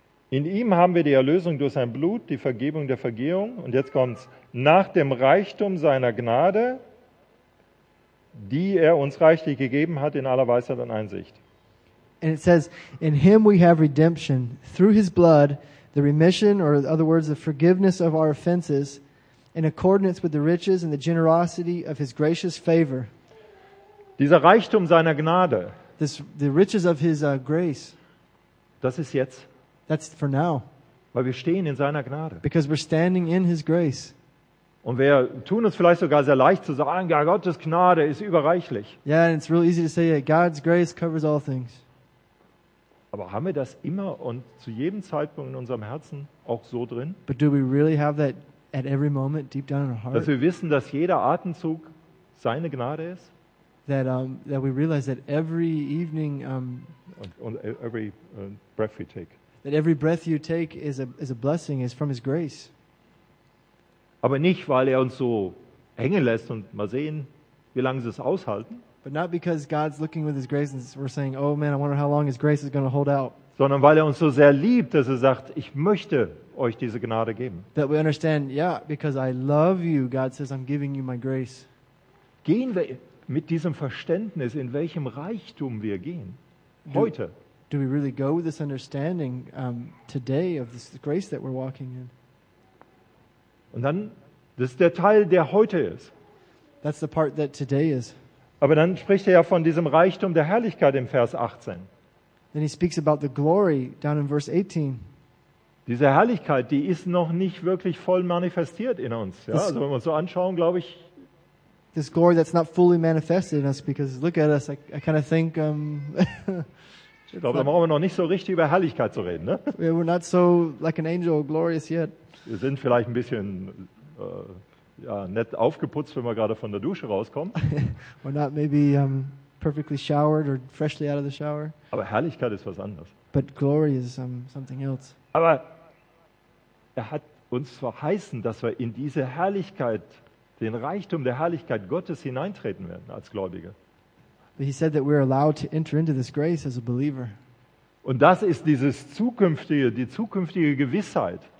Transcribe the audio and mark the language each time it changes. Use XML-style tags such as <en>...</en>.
<de>in ihm haben wir die Erlösung durch sein Blut, die Vergebung der Vergehung. Und jetzt kommt's. Nach dem Reichtum seiner Gnade, die er uns reichlich gegeben hat in aller Weisheit und Einsicht.</de> <en>And it says, in him we have redemption through his blood, the remission, or in other words, the forgiveness of our offenses, in accordance with the riches and the generosity of his gracious favor.</en> <de>Dieser Reichtum seiner Gnade.</de> <en>The riches of his grace.</en> <de>Das ist jetzt.</de> <en>That's for now.</en> <de>Weil wir stehen in seiner Gnade.</de> <en>Because we're standing in his grace.</en> <de>Und wir tun uns vielleicht sogar sehr leicht zu sagen, ja, Gottes Gnade ist überreichlich.</de> <en>Yeah, and it's real easy to say, yeah, God's grace covers all things.</en> <de>Aber haben wir das immer und zu jedem Zeitpunkt in unserem Herzen auch so drin?</de> <en>But do we really have that at every moment deep down in our heart?</en> <de>Dass wir wissen, dass jeder Atemzug seine Gnade ist?</de> <en>That that we realize that every evening</en> <de>und</de> <en>every breath we take. That every breath you take is a blessing, is from his grace.</en> <de>Aber nicht, weil er uns so hängen lässt und mal sehen, wie lange sie es aushalten.</de> <en>But not because God's looking with his grace and we're saying, oh man, I wonder how long his grace is going to hold out.</en> <de>Sondern weil er uns so sehr liebt, dass er sagt, ich möchte euch diese Gnade geben.</de> <en>That we understand, yeah, because I love you, God says, I'm giving you my grace.</en> <de>Gehen wir mit diesem Verständnis, in welchem Reichtum wir gehen, heute?</de> <en>Do we really go with this understanding today of this grace that we're walking in?</en> <de>Und dann, das ist der Teil, der heute ist.</de> <en>That's the part that today is.</en> <de>Aber dann spricht er ja von diesem Reichtum der Herrlichkeit im Vers 18.</de> <en>Then he speaks about the glory down in verse 18.</en> <de>Diese Herrlichkeit, die ist noch nicht wirklich voll manifestiert in uns. Ja? Also wenn wir uns so anschauen, glaube ich.</de> <en>This glory that's not fully manifested in us, because look at us, I kind of think.</en> <de>Ich glaube, da brauchen wir noch nicht so richtig über Herrlichkeit zu reden, ne?</de> <en>We're not so like an angel, glorious yet.</en> <de>Wir sind vielleicht ein bisschen nett aufgeputzt, wenn wir gerade von der Dusche rauskommen.</de> <en>We're not maybe perfectly showered or freshly out of the shower.</en> <de>Aber Herrlichkeit ist was anderes.</de> <en>But glory is something else.</en> <de>Aber er hat uns verheißen, dass wir in diese Herrlichkeit, den Reichtum der Herrlichkeit Gottes hineintreten werden als Gläubige.</de> <en>He said that we're allowed to enter into this grace as a believer.</en> <de>Und das ist dieses zukünftige, die zukünftige Gewissheit.</de>